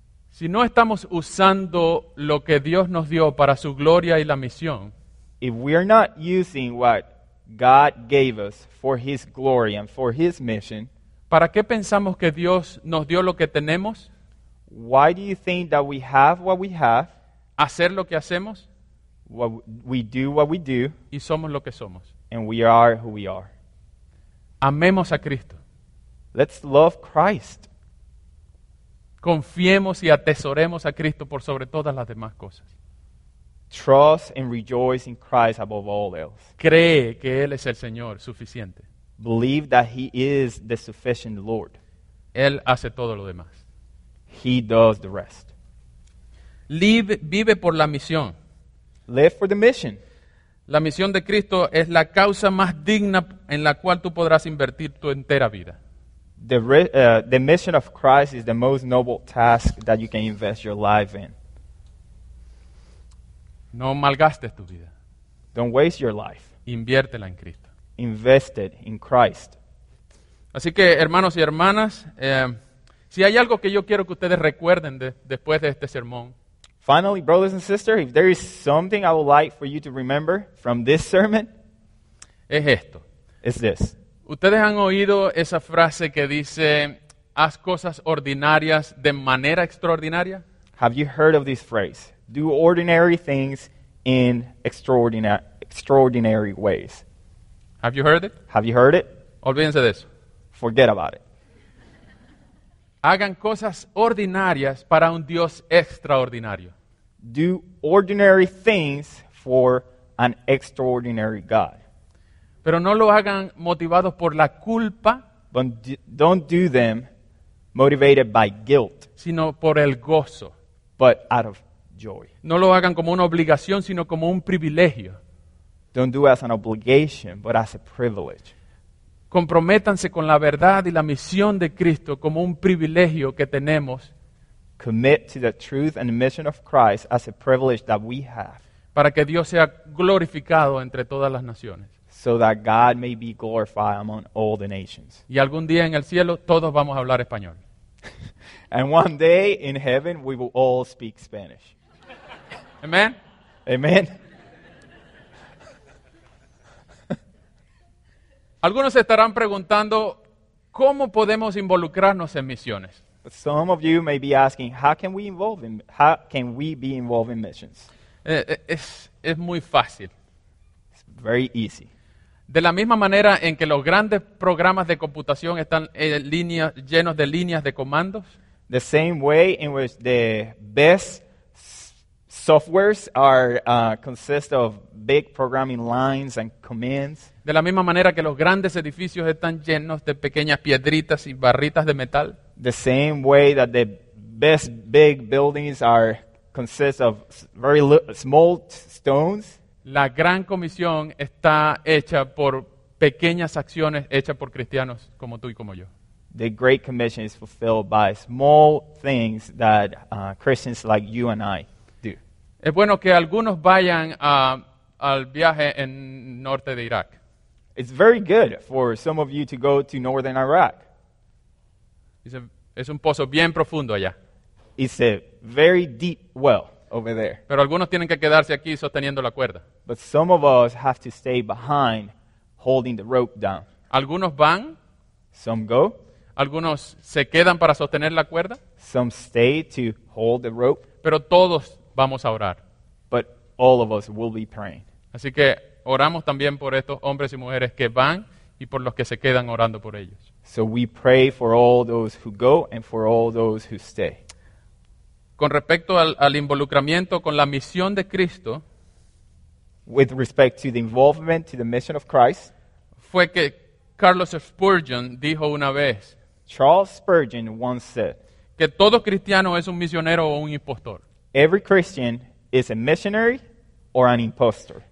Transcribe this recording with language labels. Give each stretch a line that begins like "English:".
Spanish: Si no estamos usando lo que Dios nos dio para su gloria y la misión,
English: if we are not using what God gave us for His glory and for His mission,
Spanish: ¿para qué pensamos que Dios nos dio lo que tenemos?
English: Why do you think that we have what we have?
Spanish: Hacer lo que hacemos.
English: We do what we do.
Spanish: Y somos lo que somos.
English: And we are who we are.
Spanish: Amemos a Cristo.
English: Let's love Christ.
Spanish: Confiemos y atesoremos a Cristo por sobre todas las demás cosas.
English: Trust and rejoice in Christ above all else.
Spanish: Cree que Él es el Señor suficiente.
English: Believe that He is the sufficient Lord.
Spanish: Él hace todo lo demás.
English: He does the rest.
Spanish: Vive por la misión.
English: Live for the mission.
Spanish: La misión de Cristo es la causa más digna en la cual tú podrás invertir tu entera vida.
English: The mission of Christ is the most noble task that you can invest your life in.
Spanish: No malgastes tu vida.
English: Don't waste your life.
Spanish: Inviértela en Cristo.
English: Invest it in Christ.
Spanish: Así que, hermanos y hermanas, si hay algo que yo quiero que ustedes recuerden después de este sermón.
English: Finally, brothers and sisters, if there is something I would like for you to remember from this sermon,
Spanish: es esto.
English: It's this.
Spanish: ¿Ustedes han oído esa frase que dice, haz cosas ordinarias de manera extraordinaria?
English: Have you heard of this phrase? Do ordinary things in extraordinary ways. Have you heard it? Have you heard it?
Spanish: Olvídense de eso.
English: Forget about it.
Spanish: Hagan cosas ordinarias para un Dios extraordinario.
English: Do ordinary things for an extraordinary God.
Spanish: Pero no lo hagan motivados por la culpa.
English: But don't do them motivated by guilt.
Spanish: Sino por el gozo.
English: But out of joy.
Spanish: No lo hagan como una obligación, sino como un privilegio.
English: Don't do it as an obligation, but as a privilege.
Spanish: Comprométanse con la verdad y la misión de Cristo como un privilegio que tenemos.
English: Commit to the truth and the mission of Christ as a privilege that we have.
Spanish: Para que Dios sea glorificado entre todas las naciones.
English: So that God may be glorified among all the nations.
Spanish: Y algún día en el cielo todos vamos a hablar español.
English: And one day in heaven we will all speak Spanish.
Spanish: Amen.
English: Amen.
Spanish: Algunos estarán preguntando cómo podemos involucrarnos en misiones.
English: But some of you may be asking, how can we be involved in missions?
Spanish: Es muy fácil.
English: It's very easy.
Spanish: De la misma manera en que los grandes programas de computación están llenos de líneas de comandos.
English: The same way in which the best softwares are consist of big programming lines and commands.
Spanish: De la misma manera que los grandes edificios están llenos de pequeñas piedritas y barritas de metal.
English: The same way that the best big buildings are consist of very small stones.
Spanish: La gran comisión está hecha por pequeñas acciones hechas por cristianos como tú y como yo.
English: The Great Commission is fulfilled by small things that Christians like you and I do.
Spanish: Es bueno que algunos vayan al viaje en norte de Irak.
English: It's very good for some of you to go to northern Iraq.
Spanish: Es un pozo bien profundo allá.
English: It's a very deep well. Over there.
Spanish: Pero algunos tienen que quedarse aquí sosteniendo la cuerda.
English: But some of us have to stay behind holding the rope down.
Spanish: Algunos van.
English: Some go.
Spanish: Algunos se quedan para sostener la cuerda.
English: Some stay to hold the rope.
Spanish: Pero todos vamos a orar.
English: But all of us will be praying.
Spanish: Así que oramos también por estos hombres y mujeres que van y por los que se quedan orando por ellos.
English: So we pray for all those who go and for all those who stay.
Spanish: Con respecto al involucramiento con la misión de Cristo,
English: with respect to the involvement to the mission of Christ,
Spanish: fue que Carlos Spurgeon dijo una vez.
English: Charles Spurgeon once said.
Spanish: Que todo cristiano es un misionero o un impostor.
English: Every Christian is a missionary or an impostor.